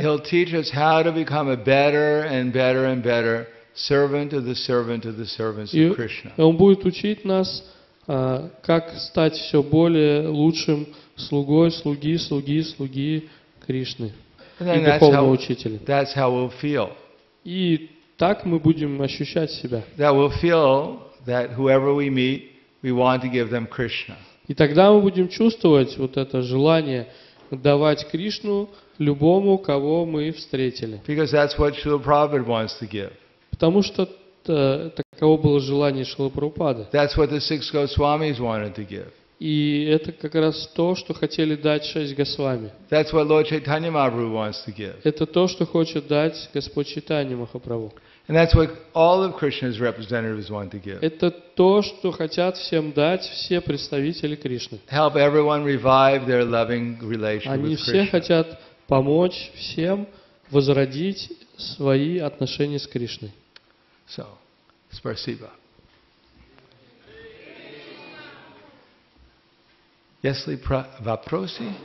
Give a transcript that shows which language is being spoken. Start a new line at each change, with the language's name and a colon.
English: He'll teach us how to become a better and better and better servant of the servant of the servants of Krishna.
Russian: И он будет учить нас, как стать все более лучшим слугой, слуги Кришны и духовного учителя.
English: That's how we'll feel.
Russian: И так мы будем ощущать себя.
English: That we'll feel that whoever we meet, we want to give them Krishna.
Russian: И тогда мы будем чувствовать вот это желание давать Кришну любому, кого мы встретили.
English: Because that's what Śrīla Prabhupāda wants to give.
Russian: Потому что таково было желание Шрилы Прабхупады.
English: That's what the six Goswamis wanted to give.
Russian: И это как раз то, что хотели дать шесть Госвами.
English: That's what Lord Chaitanya Mahaprabhu wants to give.
Russian: Это то, что хочет дать Господь Чайтанья Махапрабху.
English: And that's what all of Krishna's representatives want to give.
Russian: Это то, что хотят всем дать все представители Кришны.
English: Help everyone revive their loving relationship with Krishna.
Russian: Они все хотят помочь всем возродить свои отношения с Кришной. So, спасибо. Если вопросы?